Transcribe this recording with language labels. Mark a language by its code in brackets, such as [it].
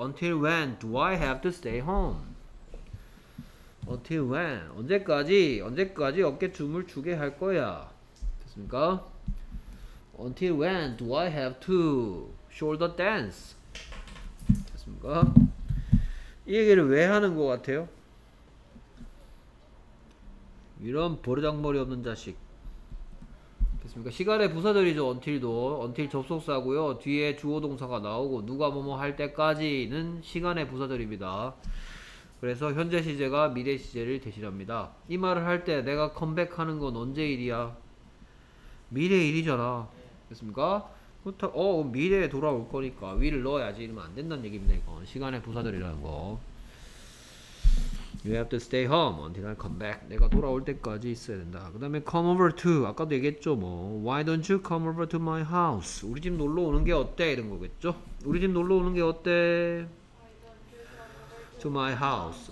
[en] until when do I have to stay home? until when [ko] 언제까지 어깨 춤을 추게 할 거야? 됐습니까? [en] until when do I have to shoulder dance? [ko] 됐습니까? 이 얘기를 왜 하는 것 같아요? 이런 버르장머리 없는 자식. 그러니까 시간의 부사절이죠. until도 until 접속사고요. 뒤에 주어동사가 나오고 누가 뭐뭐 할 때까지는 시간의 부사절입니다. 그래서 현재 시제가 미래 시제를 대신합니다. 이 말을 할 때 내가 컴백하는 건 언제 일이야? 미래 일이잖아. 됐습니까? 그렇다고 미래에 돌아올 거니까 will 넣어야지 이러면 안 된다는 얘기입니다. 이건 시간의 부사절이라는 거. [en] You have to stay home until I come back. [ko] 내가 돌아올 때까지 있어야 된다. 그 다음에 come over to. 아까도 얘기했죠 뭐. [en] Why don't you come over to my house? [ko] 우리 집 놀러 오는 게 어때? 이런 거겠죠? 우리 집 놀러 오는 게 어때? [en] Why don't you come over to my house?